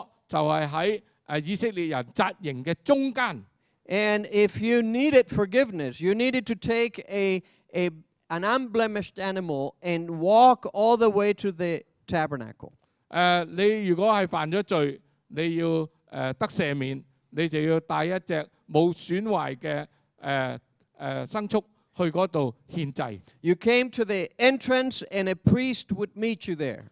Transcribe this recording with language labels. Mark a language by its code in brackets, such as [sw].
[zh] 就是在以色列人扎营的中间。 [en] And if you needed forgiveness, you needed to take an unblemished animal and walk all the way to the tabernacle. [zh] 你如果是犯了罪,你要得赦免,你就要带一只没损坏的牲畜去那里献祭。 [en] You came to the entrance and a priest would meet you there.